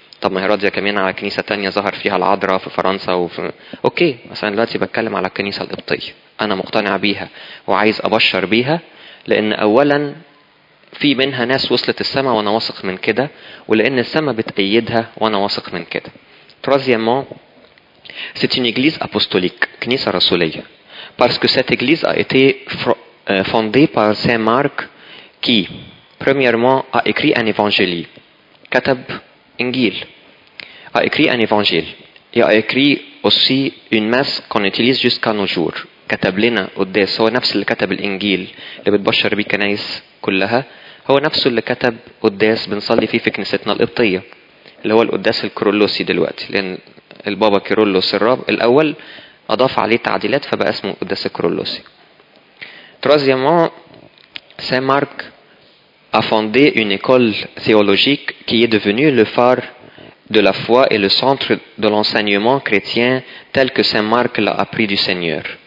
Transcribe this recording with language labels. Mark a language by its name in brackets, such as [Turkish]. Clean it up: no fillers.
[Arabic] طب ما هي راضية كمان على كنيسة تانية ظهر فيها العذراء في فرنسا وفي أوكي مثلا دلوقتي بتكلم على الكنيسة القبطية. أنا مقتنع بيها وعايز أبشر بيها لأن أولا في منها ناس وصلت السماء وأنا واثق من كده ولأن السماء بتأيدها وأنا واثق من كده. [French] Troisièmement, c'est une église apostolique, [Arabic] كنيسة رسولية. [French] Parce que cette église a été fondée par Saint Marc qui, premièrement, a écrit un évangile. [Arabic] كتب إنجيل. [French] A écrit un évangile. Et a écrit aussi une messe qu'on utilise jusqu'à nos jours. [Arabic] كتب لنا قداس هو نفس اللي كتب الإنجيل اللي بتبشر بيه كنايس كلها هو نفسه اللي كتب قداس بنصلي فيه في كنيستنا القبطية اللي هو القداس الكيرولوسي دلوقتي لأن البابا كيرولوس الراب الأول أضاف عليه تعديلات فبقى اسمه القداس الكيرولوسي [French] Troisièmement, Saint Marc a fondé une école théologique qui est devenue le phare de la foi et le centre de l'enseignement chrétien tel que Saint Marc l'a appris du Seigneur.